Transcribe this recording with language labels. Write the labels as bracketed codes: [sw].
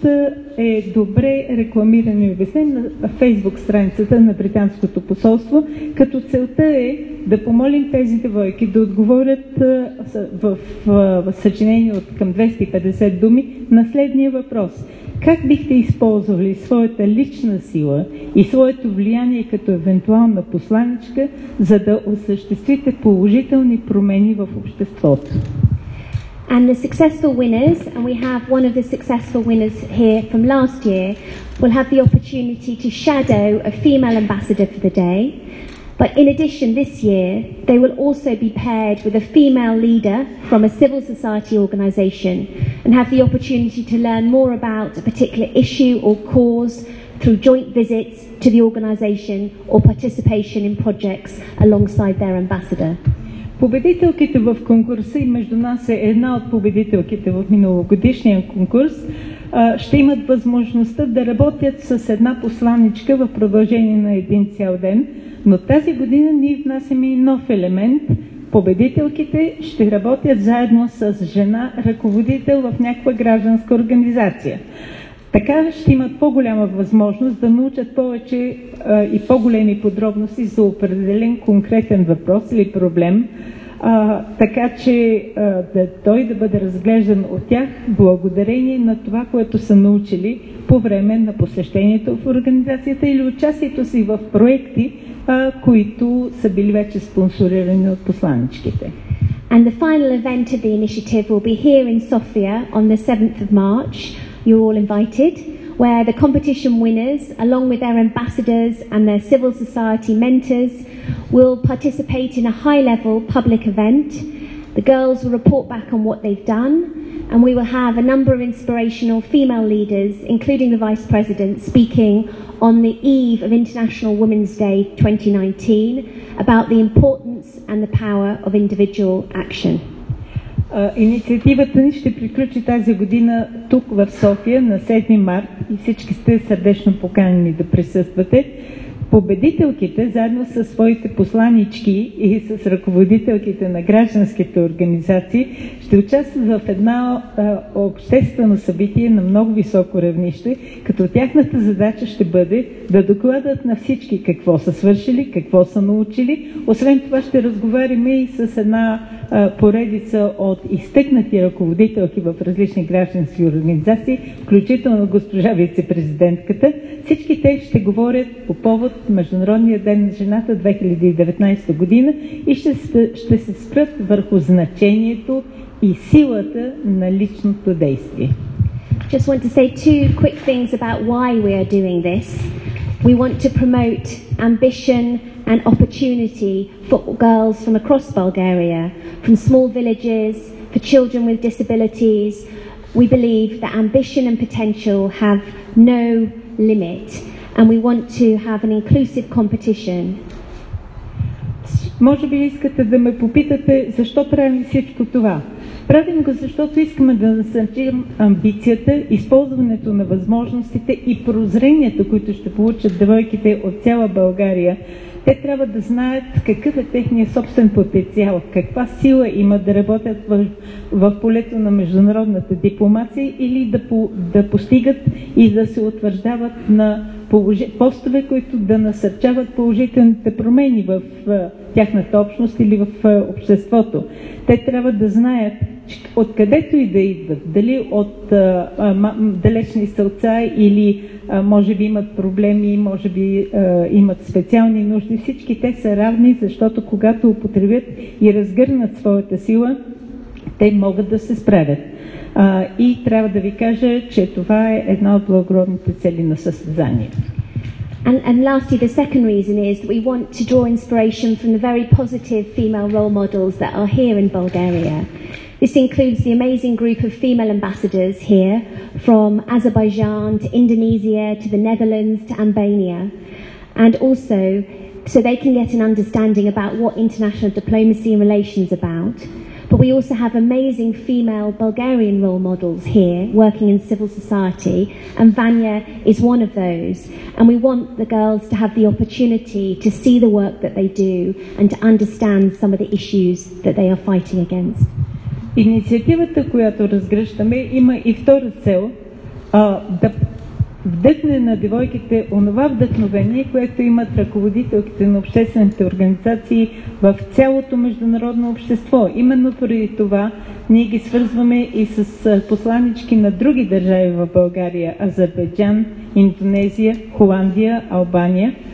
[bg] всъщност е добре рекламирано и обяснено на Facebook страницата на Британското посолство, като целта е да помолим тези девойки да отговорят в съчинение от към 250 думи на следния въпрос. Как бихте използвали своята лична сила и своето влияние като евентуална посланичка, за да осъществите положителни промени в обществото? [en] And the successful winners, and we have one of the successful winners here from last year, will have the opportunity to shadow a female ambassador for the day. But in addition, this year, they will also be paired with a female leader from a civil society organization and have the opportunity to learn more about a particular issue or cause through joint visits to the organization or participation in projects alongside their ambassador. [bg] Победителките в конкурса и между нас е една от победителките в миналогодишния конкурс, ще имат възможността да работят с една посланичка в продължение на един цял ден. Но тази година ние внасяме и нов елемент. Победителките ще работят заедно с жена ръководител в някаква гражданска организация. Така ще имат по-голяма възможност да научат повече и по-големи подробности за определен конкретен въпрос или проблем, така че той да бъде разглеждан от тях благодарение на това, което са научили по време на посещението в организацията или участието си в проекти, които са били вече спонсорирани от посланичките. [en] And the final event of the initiative will be here in Sofia on the 7th of March. You're all invited, where the competition winners, along with their ambassadors and their civil society mentors, will participate in a high-level public event. The girls will report back on what they've done, and we will have a number of inspirational female leaders, including the Vice President, speaking on the eve of International Women's Day 2019 about the importance and the power of individual action. [bg] Инициативата ни ще приключи тази година тук в София на 7 март и всички сте сърдечно поканени да присъствате. Победителките, заедно със своите посланички и с ръководителките на гражданските организации, ще участват в една обществено събитие на много високо равнище, като тяхната задача ще бъде да докладат на всички какво са свършили, какво са научили. Освен това ще разговаряме и с една поредица от изтъкнати ръководителки в различни граждански организации, включително госпожа вице-президентката. Всички те ще говорят по повод Международния ден на жената 2019 година и ще се спрат върху значението и силата на личното действие. [en] Just want to say two quick things about why we are doing this. We want to promote ambition and opportunity for girls from across Bulgaria, from small villages, for children with disabilities. We believe that ambition and potential have no limit. And we want to have an inclusive competition. [bg] Може би искате да ме попитате защо правим всичко това. Правим го, защото искаме да насърчим амбицията, използването на възможностите и прозренията, които ще получат девойките от цяла България. Те трябва да знаят какъв е техният собствен потенциал, каква сила има да работят в полето на международната дипломация или да постигат и да се утвърждават на постове, които да насърчават положителните промени в тяхната общност или в обществото. Те трябва да знаят, откъдето и да идват, дали от далечни селца или може би имат проблеми, може би имат специални нужди. Всички те са равни, защото когато употребят и разгърнат своята сила, те могат да се справят. И трябва да ви кажа, че това е една от благородните цели на състезанието. [en] And lastly, the second reason is that we want to draw inspiration from the very positive female role models that are here in Bulgaria. This includes the amazing group of female ambassadors here, from Azerbaijan to Indonesia to the Netherlands to Albania. And also, so they can get an understanding about what international diplomacy and relations are about. But we also have amazing female Bulgarian role models here, working in civil society, and Vanya is one of those. And we want the girls to have the opportunity to see the work that they do and to understand some of the issues that they are fighting against. [bg] Инициативата, която разгръщаме, има и втора цел, да вдъхне на девойките онова вдъхновение, което имат ръководителките на обществените организации в цялото международно общество. Именно преди това ние ги свързваме и с посланички на други държави в България, Азербайджан, Индонезия, Холандия, Албания.